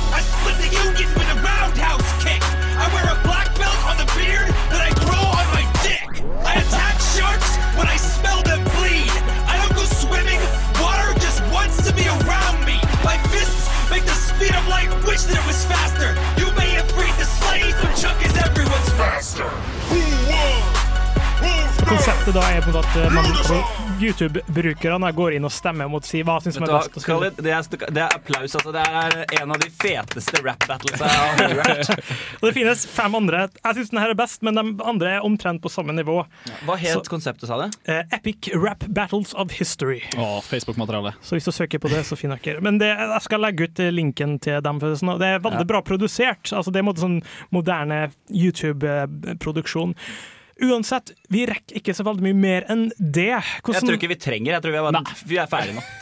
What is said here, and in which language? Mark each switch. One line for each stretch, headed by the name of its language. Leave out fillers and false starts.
English: I split the Union with a roundhouse kick. I wear a black belt on the beard that I grow on my dick. I attack sharks when I smell them bleed. I don't go swimming. Water just wants to be around me. My fists make the speed of light wish that it was faster. You may have freed the slaves, but Chuck is everyone's master. Who won?
Norwegian: Konseptet da er på en måte at YouTube-brukerne går inn og stemmer mot si hva som er best. Khaled, det er applaus, altså. Det er en av de feteste rap-battles jeg har hørt. Og det finnes fem andre. Jeg synes denne er best, men de andre er omtrent på samme nivå. Hva helt så, konseptet, sa det? Epic Rap Battles of History. Åh, Facebook-materiale. Så hvis du søker på det, så finner jeg ikke. Men det, jeg skal legge ut linken til dem. Det er veldig bra produsert. Altså, det er en måte sånn moderne YouTube-produksjon. Uansett, vi rekker ikke så veldig mye mer enn det. Hvordan? Jeg tror ikke vi trenger, jeg tror vi er, bare, vi er ferdige nå.